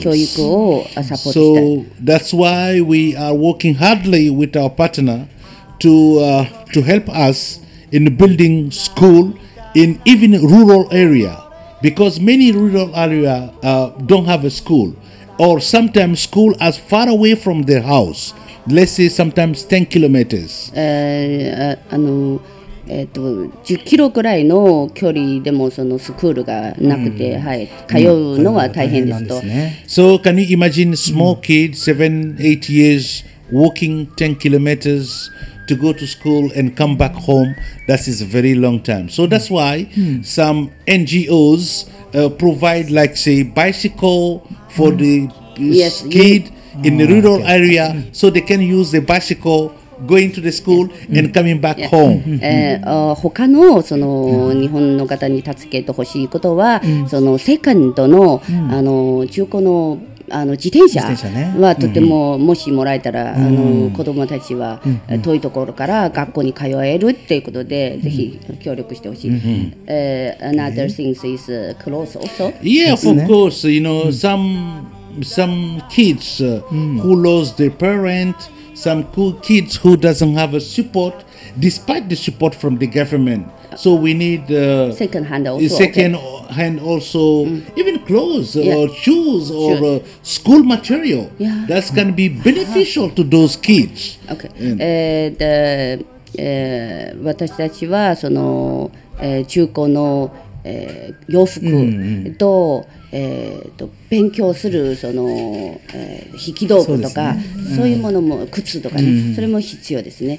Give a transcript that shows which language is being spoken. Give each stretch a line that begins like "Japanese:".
English: So that's why we are working hardly with our partner to help us in building school in even rural area, because many rural area don't have a school, or sometimes school as far away from their house. Let's say sometimes 10 kilometers.
Japanese: 10キロぐらいの距離でもそのスクールがなくて、はい、通うのは大変ですと。
English: So can you imagine small kid, 7-8 years, walking 10 kilometers to go to school and come back home? That is a very long time. So that's why some NGOs provide like say bicycle for the kid in the rural area, so they can use the bicycle going to the school and coming back home.
Japanese: 他のその日本の方に助けてほしいことは、そのセカンドのあの中古のあの自転車はとてももしもらえたら、あの子供たちは遠いところから学校に通えるっていうことで、ぜひ協力してほしい。
English: Another thing is clothes also. Yeah, of course. You know some kids who lost their parent, some cool kids who doesn't have a support despite the support from the government. So we need second hand also even clothes or shoes or school material that's going to be beneficial to those kids.
Japanese: The 私たちはその中古の洋服と勉強するその、引き道具とか、そうですね、うん、そういうものも靴とかね、うん、それも必要ですね。